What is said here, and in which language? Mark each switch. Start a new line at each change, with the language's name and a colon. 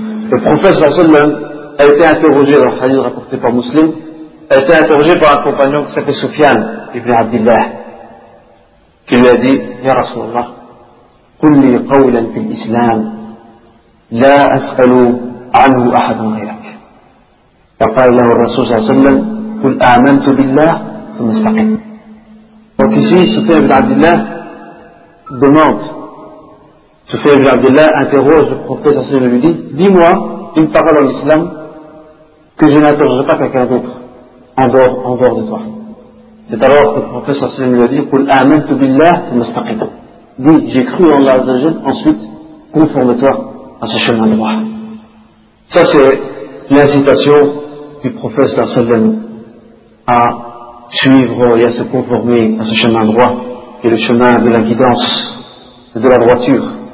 French: Le prophète sallallahu alayhi wa sallam a été interrogé dans le hadith rapporté par Muslim, a été interrogé par un compagnon qui s'appelait Soufiane ibn Abdillah, qui lui a dit:
Arabic: Ya Rasulallah, qulli qawlan fil islam لا أسأل عنه أحد غيرك. فقال له الرسول صلى الله عليه وسلم قل آمنت بالله ثم استقم.
French: وكسي سفيان بن عبد الله demande سفيان بن عبد الله interroge le prophète صلى الله عليه وسلم lui dit dis-moi une parole en islam que je n'interrogerai pas quelqu'un d'autre en dehors de toi. C'est alors que le prophète صلى الله عليه وسلم lui a dit
Arabic: قل آمنت بالله ثم استقم.
French: Dit j'ai cru en Allah عز وجل, ensuite conforme-toi à ce chemin de droit. Ça, c'est l'incitation du prophète Darsalem à suivre et à se conformer à ce chemin droit, qui est le chemin de la guidance et de la droiture.